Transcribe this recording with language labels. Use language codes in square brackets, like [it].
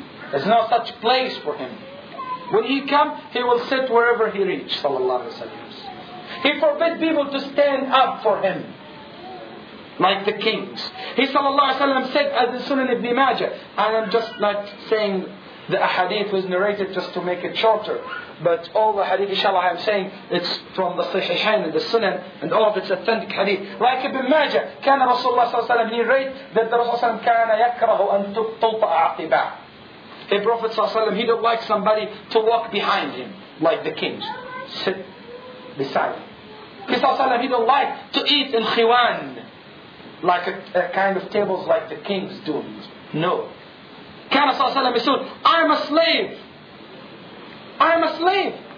[en] There's no such place for him. When he come, he will sit wherever he reach, sallallahu alaihi wasallam. He forbid people to stand up for him. like the kings. He said, as in Sunan Ibn Majah, and I'm just not saying the ahadith was narrated just to make it shorter, but all the hadith, inshallah, I'm saying it's from the Sahihain and the Sunan, and all of it's authentic hadith. Like Ibn Majah, [ar] كان رسول الله صلى الله عليه وسلم [en] narrate that the Rasul [ar] كان يكره أن تطلطأ عقباه. [en] The Prophet ﷺ, he don't like somebody to walk behind him, like the kings. Sit beside him. He don't like to eat in khiwan, like a kind of tables like the kings do. No. Kana sallallahu alayhi wa sallam, I'm a slave. I'm a slave.